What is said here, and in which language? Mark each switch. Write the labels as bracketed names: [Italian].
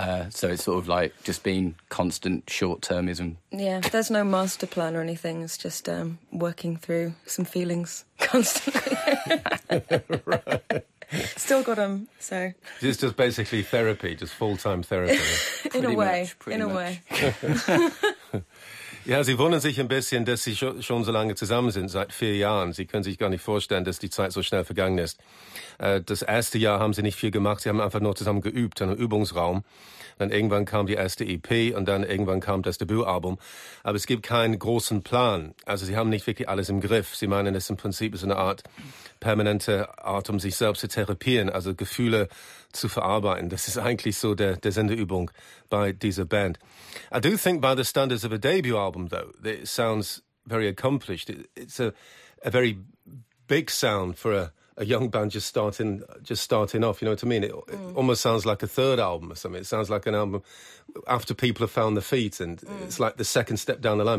[English] So it's sort of like just being constant short-termism. Yeah, there's no master plan or anything. It's just working through some feelings constantly. Right. Still got them, so. It's just basically therapy, just full-time therapy. In a way. [German] Ja, sie wundern sich ein bisschen, dass sie schon so lange zusammen sind, seit 4 Jahren. Sie können sich gar nicht vorstellen, dass die Zeit so schnell vergangen ist. Das erste Jahr haben sie nicht viel gemacht, sie haben einfach nur zusammen geübt, in einem Übungsraum. Dann irgendwann kam die erste EP und dann irgendwann kam das Debütalbum. Aber es gibt keinen großen Plan. Also sie haben nicht wirklich alles im Griff. Sie meinen, es ist im Prinzip so eine Art permanente Art, um sich selbst zu therapieren, also Gefühle zu verarbeiten. Das ist eigentlich so der Sendeübung bei dieser Band. [English] I do think by the standards of a debut album, though, that it sounds very accomplished. It's a very big sound for a young band just starting off. You know what I mean? It almost sounds like a third album or something. It sounds like an album after people have found their feet, and it's like the second step down the line.